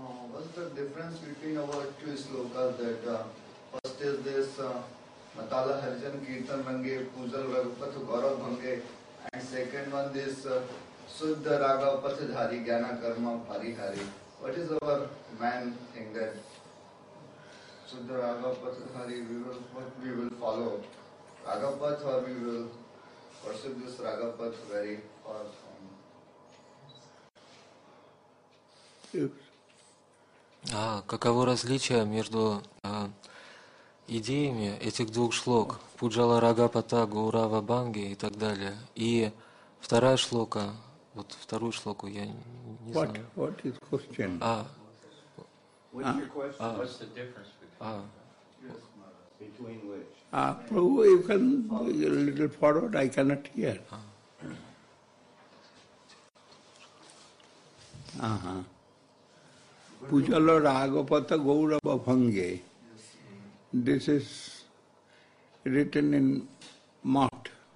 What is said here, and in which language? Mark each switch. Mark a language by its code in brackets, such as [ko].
[en] What's the difference between our two slokas that first is this Matala Harijan Kirtan Mange Pujal Raghupath Gaurav Bhange and second one this Suddha Raga Pasidhari Jnana Karma Parihari. What is our main thing that Suddha Raga Pasidhari, we will follow Raga Path, or we will worship this Raga Path very far from. [ru] А каково различие между идеями этих двух шлок Пуджала Рагапата Гаурава Банги и так далее и вторая шлока, вот вторую шлоку я не знаю. [en] What is question? What's your question? What's the difference between which? You can a little forward, I cannot hear. Pujala Ragapata Gaurava Bhange. This is written in Math.